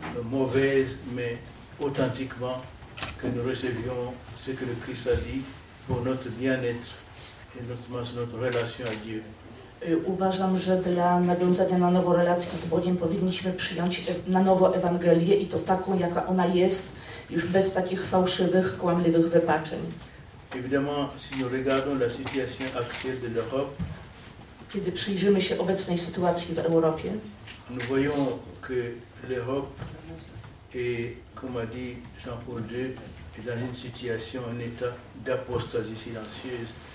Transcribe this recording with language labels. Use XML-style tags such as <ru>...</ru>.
<fr>mauvaise, mais authentiquement, que nous recevions ce que le Christ a dit pour notre bien-être et notamment sur notre relation à Dieu.</fr> <pl>Uważam, że dla nawiązania na nowo relacji z Bogiem powinniśmy przyjąć na nowo Ewangelię i to taką, jaka ona jest, już bez takich fałszywych, kłamliwych wypaczeń.</pl> <fr>Évidemment, si nous regardons la situation actuelle de l'Europe,</fr> <pl>kiedy przyjrzymy się obecnej sytuacji w Europie,</pl> <fr>nous voyons que l'Europe est, comme a dit Jean-Paul II, est dans une situation, un état d'apostasie silencieuse.</fr>